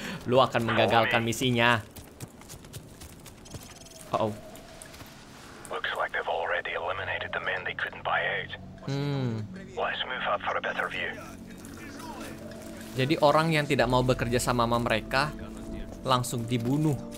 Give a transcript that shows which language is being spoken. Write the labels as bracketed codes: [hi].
[id] Lu akan menggagalkan misinya. [en] Looks like they've already eliminated the men they couldn't buy out. Let's move up for a better view. [id] Jadi orang yang tidak mau bekerja sama sama mereka langsung dibunuh.